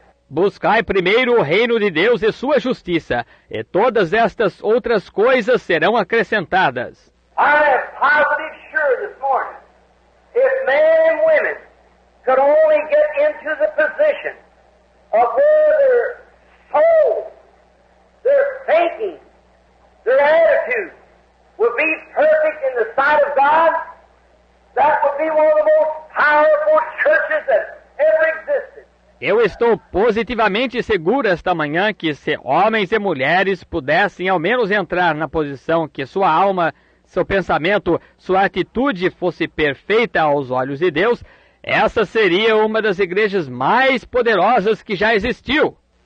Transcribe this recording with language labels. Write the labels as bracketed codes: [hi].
[pt] Buscai primeiro o reino de Deus e sua justiça, e todas estas outras coisas serão acrescentadas. [en] I am positive sure this morning, if men and women could only get into the position of where their soul, their thinking, their attitude would be perfect in the sight of God, that would be one of the most powerful churches that ever existed. [pt] Eu estou positivamente seguro esta manhã que se homens e mulheres pudessem ao menos entrar na posição que sua alma, seu pensamento, sua atitude fosse perfeita aos olhos de Deus, essa seria uma das igrejas mais poderosas que já existiu.